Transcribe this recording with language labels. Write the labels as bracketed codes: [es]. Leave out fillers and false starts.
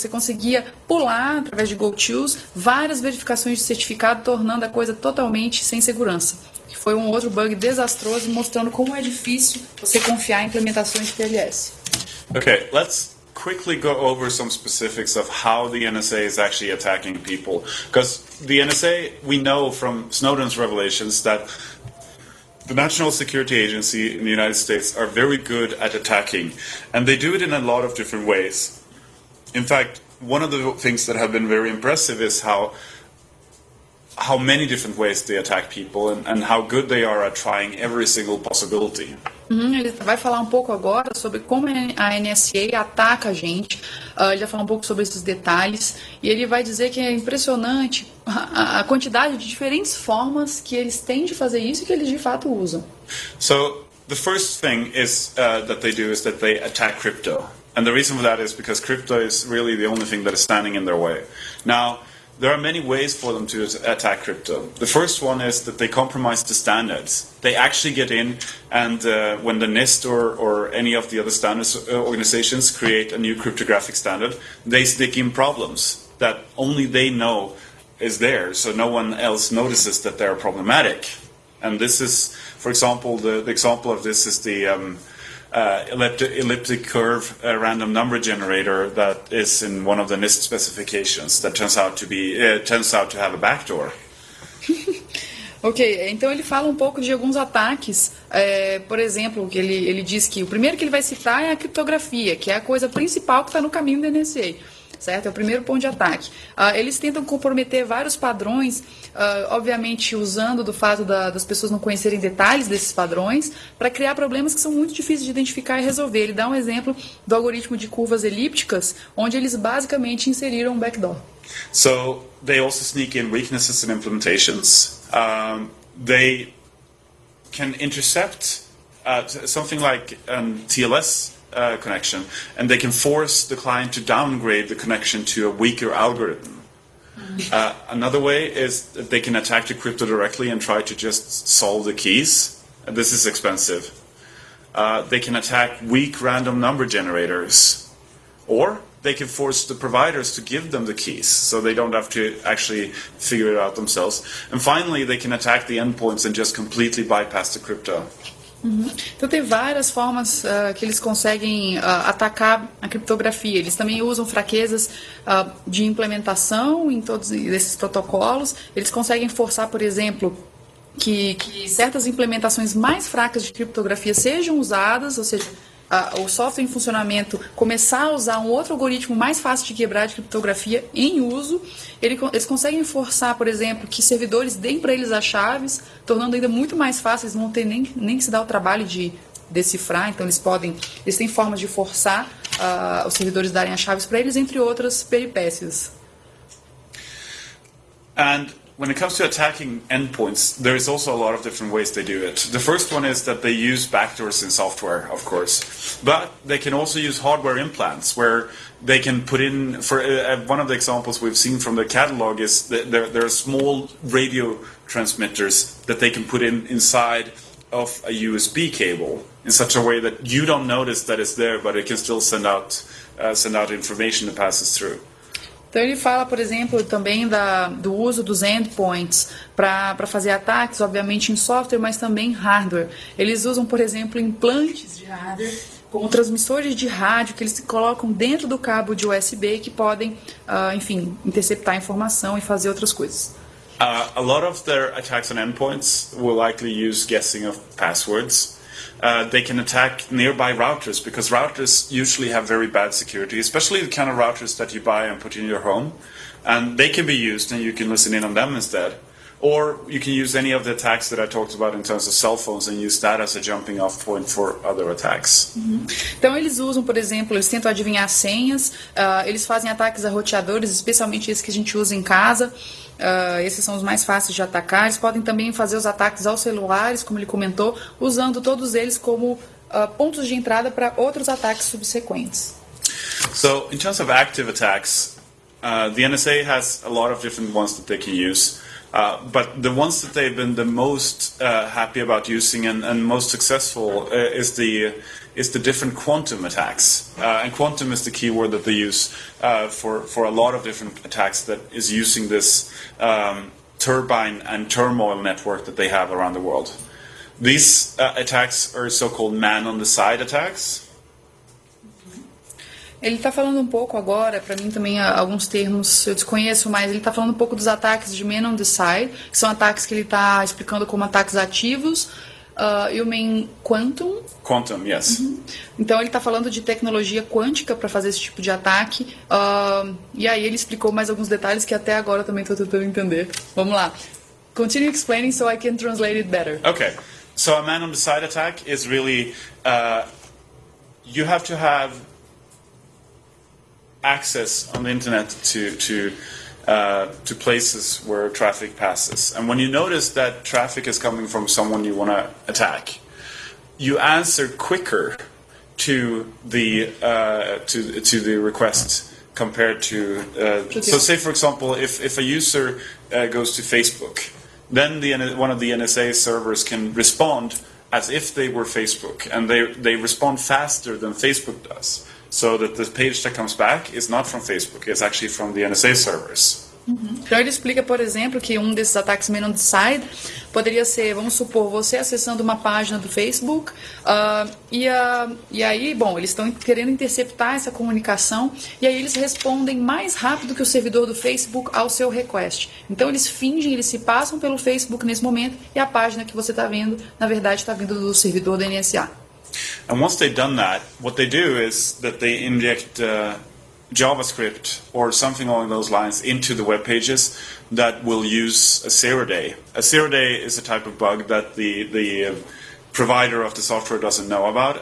[pt] Você conseguia pular através de GoTos várias verificações de certificado, tornando a coisa totalmente sem segurança. Que foi um outro bug desastroso, mostrando como é difícil você confiar em implementações de TLS. [en] Okay, let's quickly go over some specifics of how the NSA is actually attacking people. Because the NSA, we know from Snowden's revelations that the National Security Agency in the United States are very good at attacking. And they do it in a lot of different ways. In fact, one of the things that have been very impressive is how many different ways they attack people and how good they are at trying every single possibility. [pt] Ele vai falar um pouco agora sobre como a NSA ataca a gente. Ele vai falar um pouco sobre esses detalhes. E ele vai dizer que é impressionante a quantidade de diferentes formas que eles têm de fazer isso e que eles de fato usam. [en] So, the first thing is that they do is that they attack crypto. And the reason for that is because crypto is really the only thing that is standing in their way. Now, there are many ways for them to attack crypto. The first one is that they compromise the standards. They actually get in, and when the NIST or any of the other standards organizations create a new cryptographic standard, they stick in problems that only they know is there, so no one else notices that they're problematic. And this is, for example, the example of this is the elliptic curve random number generator that is in one of the NIST specifications that turns out to have a backdoor. [pt] Ok, então ele fala um pouco de alguns ataques. Por exemplo, que ele diz que o primeiro que ele vai citar é a criptografia, que é a coisa principal que está no caminho da NSA. Certo? É o primeiro ponto de ataque. Eles tentam comprometer vários padrões, obviamente usando do fato das pessoas não conhecerem detalhes desses padrões, para criar problemas que são muito difíceis de identificar e resolver. Ele dá um exemplo do algoritmo de curvas elípticas, onde eles basicamente inseriram um backdoor. [en] So, they also sneak in weaknesses in implementations. They can intercept something like TLS connection, and they can force the client to downgrade the connection to a weaker algorithm. Another way is that they can attack the crypto directly and try to just solve the keys. This is expensive. They can attack weak random number generators, or they can force the providers to give them the keys so they don't have to actually figure it out themselves. And finally, they can attack the endpoints and just completely bypass the crypto. Uhum. [pt] Então tem várias formas que eles conseguem atacar a criptografia. Eles também usam fraquezas de implementação em todos esses protocolos. Eles conseguem forçar, por exemplo, que certas implementações mais fracas de criptografia sejam usadas, ou seja, o software em funcionamento começar a usar um outro algoritmo mais fácil de quebrar de criptografia em uso. Eles conseguem forçar, por exemplo, que servidores deem para eles as chaves, tornando ainda muito mais fácil, eles não têm nem que se dar o trabalho de decifrar, então eles têm formas de forçar os servidores darem as chaves para eles, entre outras peripécias. [en] And when it comes to attacking endpoints, there is also a lot of different ways they do it. The first one is that they use backdoors in software, of course. But they can also use hardware implants, where they can put in, for one of the examples we've seen from the catalog is that there are small radio transmitters that they can put in inside of a USB cable in such a way that you don't notice that it's there, but it can still send out information that passes through. [pt] Então ele fala, por exemplo, também do uso dos endpoints para fazer ataques, obviamente em software, mas também em hardware. Eles usam, por exemplo, implantes de hardware como transmissores de rádio que eles colocam dentro do cabo de USB que podem, enfim, interceptar informação e fazer outras coisas. [en] A lot of their attacks on endpoints will likely use guessing of passwords. They can attack nearby routers because routers usually have very bad security, especially the kind of routers that you buy and put in your home. And they can be used and you can listen in on them instead. Or you can use any of the attacks that I talked about in terms of cell phones and use that as a jumping off point for other attacks. Uhum. [pt] Então eles usam, por exemplo, eles tentam adivinhar senhas, eles fazem ataques a roteadores, especialmente esses que a gente usa em casa. Esses são os mais fáceis de atacar. Eles podem também fazer os ataques aos celulares, como ele comentou, usando todos eles como pontos de entrada para outros ataques subsequentes. [en] So, in terms of active attacks, the NSA has a lot of different ones that they can use. But the ones that they've been the most happy about using and most successful is the different quantum attacks. And quantum is the keyword that they use for a lot of different attacks that is using this turbine and turmoil network that they have around the world. These attacks are so-called man-on-the-side attacks. [pt] Ele está falando um pouco agora, para mim também alguns termos eu desconheço, mas ele está falando um pouco dos ataques de Man on the Side, que são ataques que ele está explicando como ataques ativos, e o Man Quantum. [en] Quantum, yes. Uhum. [pt] Então ele está falando de tecnologia quântica para fazer esse tipo de ataque, e aí ele explicou mais alguns detalhes que até agora também estou tentando entender. Vamos lá. [en] Continue explaining so I can translate it better. Okay. So a Man on the Side attack is really... you have to have access on the internet to places where traffic passes. And when you notice that traffic is coming from someone you want to attack, you answer quicker to the request compared to... So say, for example, if a user goes to Facebook, then one of the NSA servers can respond as if they were Facebook, and they respond faster than Facebook does. So that the page that comes back is not from Facebook, it's actually from the NSA servers. Uhum. [pt] Então ele explica, por exemplo, que um desses ataques Man on the Side poderia ser, vamos supor, você acessando uma página do Facebook, e aí, bom, eles estão querendo interceptar essa comunicação, e aí eles respondem mais rápido que o servidor do Facebook ao seu request. Então eles fingem, eles se passam pelo Facebook nesse momento, e a página que você está vendo, na verdade, está vindo do servidor da NSA. [en] And once they've done that, what they do is that they inject JavaScript or something along those lines into the web pages that will use a zero day. A zero day is a type of bug that the provider of the software doesn't know about.